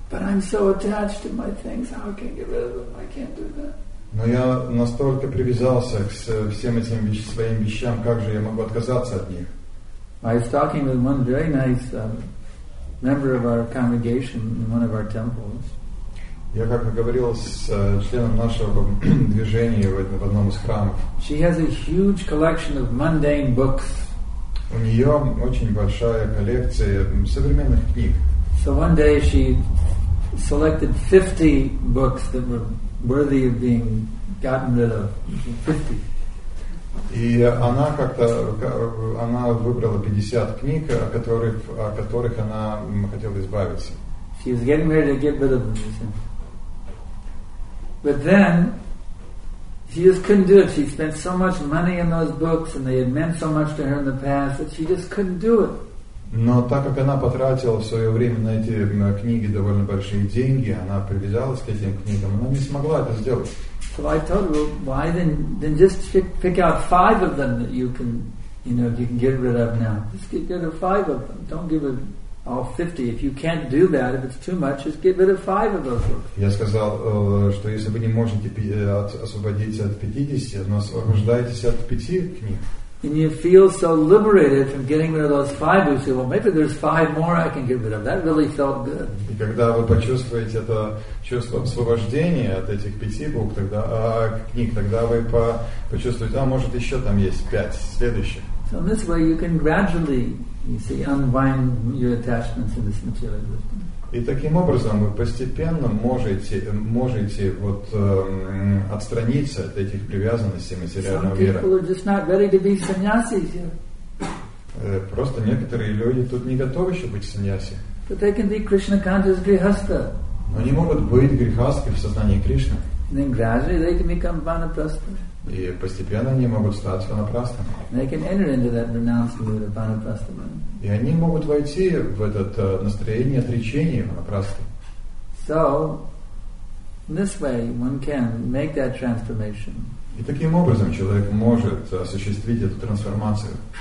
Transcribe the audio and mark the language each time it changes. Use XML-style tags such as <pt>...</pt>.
<en>But I'm so attached to my things, how can I get rid of them? I can't do that.</en> <ru>Но я настолько привязался к всем этим своим вещам, как же я могу отказаться от них?</ru> <en>I was talking with one very nice member of our congregation in one of our temples.</en> <ru>Я как-то говорил с членом нашего движения в одном из храмов.</ru> <en>She has a huge collection of mundane books.</en> <ru>У нее очень большая коллекция современных книг.</ru> <en>So one day she selected 50 books that were worthy of being gotten rid of. 50.</en> <ru>И она выбрала 50 книг, о которых она хотела избавиться.</ru> <en>She was getting ready to get rid of them. But then, she just couldn't do it. She spent so much money in those books, and they had meant so much to her in the past, that she just couldn't do it.</en> <ru>Но так как она потратила в свое время на эти книги довольно большие деньги, она привязалась к этим книгам, она не смогла это сделать.</ru> <en>So I told her, why then just pick out 5 of them that you can get rid of now. Just get rid of 5 of them. Don't give it all 50. If you can't do that, if it's too much, just get rid of 5 of those books.</en> <ru>Я сказал, что если вы не можете освободиться от 50, но освобождайтесь от 5 книг.</ru> <en>And you feel so liberated from getting rid of those 5, you say, well, maybe there's 5 more I can get rid of. That really felt good.</en> <ru>И когда вы почувствуете это чувство освобождения от этих 5 букв, тогда книг, тогда вы почувствуете, а может еще там есть 5 следующих.</ru> <en>So in this way you can gradually, you see, unwind your attachments in this material existence.</en> <ru>И таким образом вы постепенно можете вот отстраниться от этих привязанностей материального мира.</ru> <en>Some people are just not ready to be sannyasis yet.</en> <ru>Просто некоторые люди тут не готовы еще быть саньяси.</ru> <en>But they can be Krishna conscious grihastha.</en> <ru>Но они могут быть грихастхи в сознании Кришны.</ru> <en>And then gradually they can become vanaprastha.</en> <ru>И постепенно они могут стать ванапрастами.</ru> <en>They can enter into that renounced mood of vanaprastha.</en> <ru>И они могут войти в это настроение отречения ванапрасты.</ru> <en>So, in this way one can make that transformation.</en> <ru>И таким образом человек может осуществить эту трансформацию.</ru>